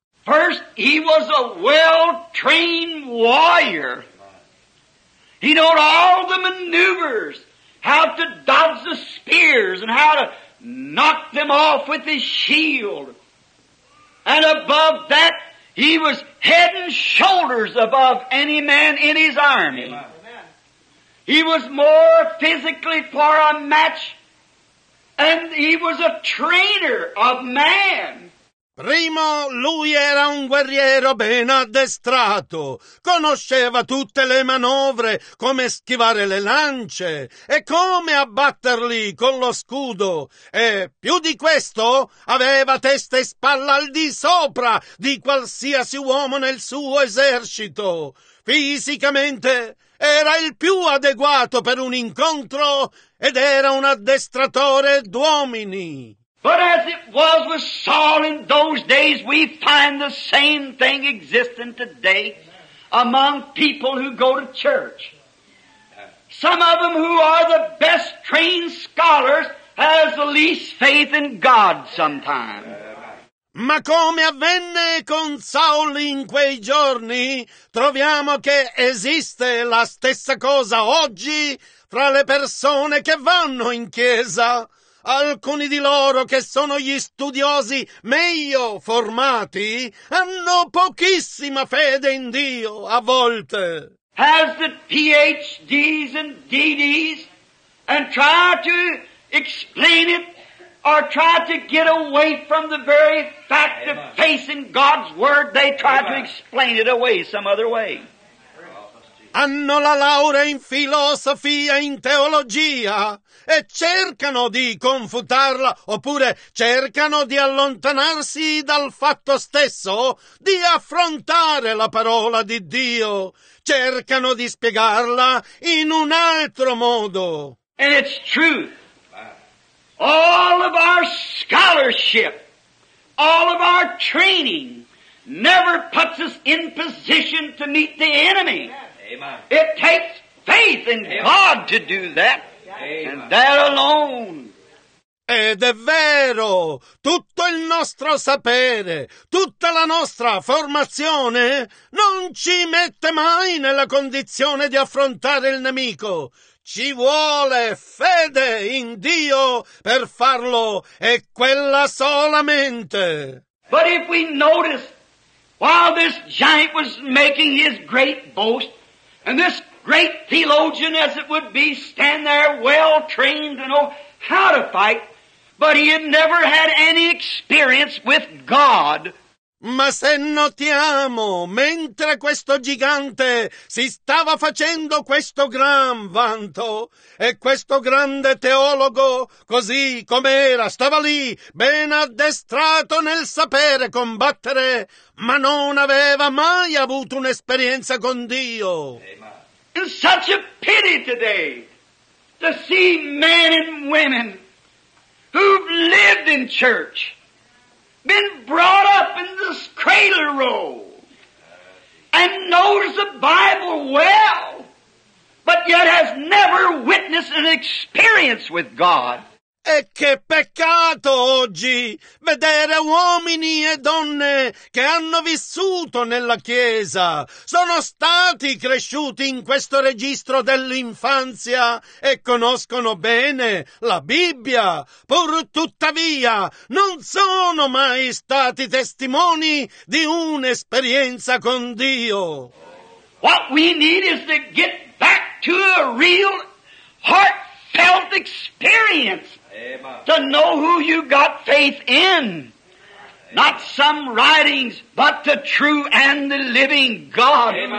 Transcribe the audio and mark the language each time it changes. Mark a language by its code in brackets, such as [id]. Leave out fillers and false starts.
[en] First he was a well-trained warrior. He knew all the maneuvers, how to dodge the spears and how to knock them off with his shield. And above that, he was head and shoulders above any man in his army. Amen. He was more physically for a match, and he was a trainer of man. [it] Primo, lui era un guerriero ben addestrato, conosceva tutte le manovre, come schivare le lance e come abbatterli con lo scudo, e più di questo aveva testa e spalla al di sopra di qualsiasi uomo nel suo esercito. Fisicamente era il più adeguato per un incontro ed era un addestratore d'uomini. [en] But as it was with Saul in those days, we find the same thing existing today among people who go to church. Some of them who are the best trained scholars has the least faith in God sometimes. [it] Ma come avvenne con Saul in quei giorni, troviamo che esiste la stessa cosa oggi fra le persone che vanno in chiesa. Alcuni di loro, che sono gli studiosi meglio formati, hanno pochissima fede in Dio, a volte. [en] Has the PhDs and DDs and try to explain it or try to get away from the very fact Amen. Of facing God's Word, they try Amen. To explain it away some other way. [it] Hanno la laurea in filosofia, in teologia, e cercano di confutarla, oppure cercano di allontanarsi dal fatto stesso di affrontare la parola di Dio. Cercano di spiegarla in un altro modo. [en] And it's true. All of our scholarship, all of our training, never puts us in position to meet the enemy. Amen. It takes faith in Amen. God to do that, Amen. And that alone. [it] Ed è vero, tutto il nostro sapere, tutta la nostra formazione non ci mette mai nella condizione di affrontare il nemico. Ci vuole fede in Dio per farlo, e quella solamente. [en] But if we notice, while this giant was making his great boast, and this great theologian, as it would be, stand there well trained to know how to fight, but he had never had any experience with God. [it] Ma se notiamo, mentre questo gigante si stava facendo questo gran vanto, e questo grande teologo, così com'era, stava lì, ben addestrato nel sapere combattere, ma non aveva mai avuto un'esperienza con Dio. [en] It's such a pity today to see men and women who've lived in church, been brought up in this cradle role, and knows the Bible well, but yet has never witnessed an experience with God. [it] E che peccato oggi vedere uomini e donne che hanno vissuto nella Chiesa, sono stati cresciuti in questo registro dell'infanzia e conoscono bene la Bibbia, pur tuttavia non sono mai stati testimoni di un'esperienza con Dio. [en] What we need is to get back to a real heartfelt experience. To know who you got faith in. Not some writings, but the true and the living God.